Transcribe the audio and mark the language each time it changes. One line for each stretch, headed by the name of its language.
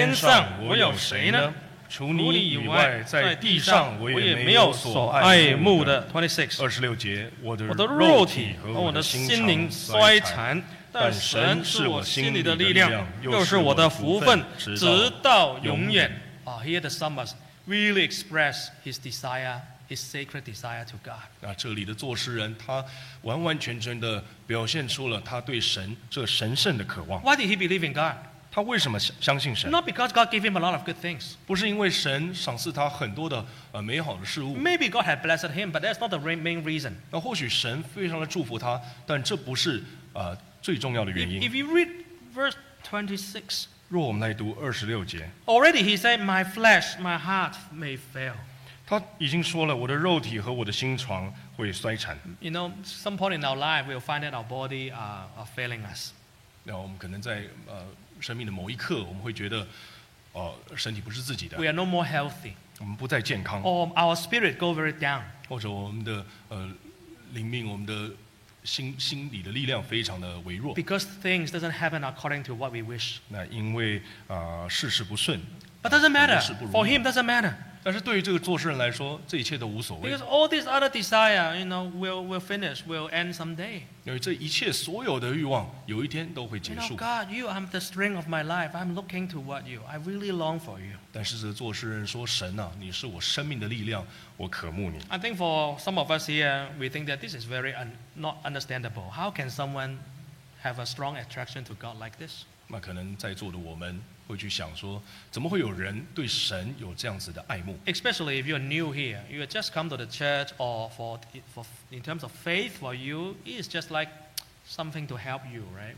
Chinese: 除你以外，在天上我有谁呢？除你以外，在地上我也没有所爱慕的。
English: 26.
Chinese: 26节。我的肉体和我的心灵衰残。但神是我心里的力量，又是我的福分，直到永远。
English: Here the psalmist really expressed his desire, his sacred desire to God.
Chinese: 那这里的作诗人，他完完全全的表现出了他对神这神圣的渴望。
English: Why did he believe in God?
Chinese: 他为什么相信神？
English: Not because God gave him a lot of good things.
Chinese: 不是因为神赏赐他很多的美好的事物。
English: Maybe God had blessed him, but that's not the main reason.
Chinese: 那或许神非常的祝福他，但这不是。
English: If you read verse 26,
Chinese: 若我们来读26节,
English: already he said, my flesh, my heart may fail.
Chinese: 他已经说了, 我的肉体和我的心肠会衰残。
English: You know, some point in our life, we'll find that our body are failing us.
Chinese: 那我们可能在, 生命的某一刻, 我们会觉得, 身体不是自己的。
English: We are no more healthy.
Chinese: 我们不再健康。
English: Or our spirit go very down.
Chinese: 或者我们的, 灵命, 我们的, 心里的力量非常的微弱
English: Because things doesn't happen according to what we wish
Chinese: 那因为, 事事不顺,
English: But doesn't matter For him doesn't matter
Chinese: 但是对于这个做事人来说, 这一切都无所谓
English: Because all these other desire you know, will finish will end someday
Chinese: 因为这一切所有的欲望, 有一天都会结束
English: you know, God, you are the strength of my life I'm looking toward you I really long for you
Chinese: 但是这个做事人说, 神啊, 你是我生命的力量, 我渴慕你
English: I think for some of us here we think that this is very not understandable How can someone have a strong attraction to God like this?
Chinese: 那可能在座的我们 会去想说，怎么会有人对神有这样子的爱慕？
English: Especially if you're new here, you have just come to the church, or for in terms of faith for you, it is just like something to help you, right?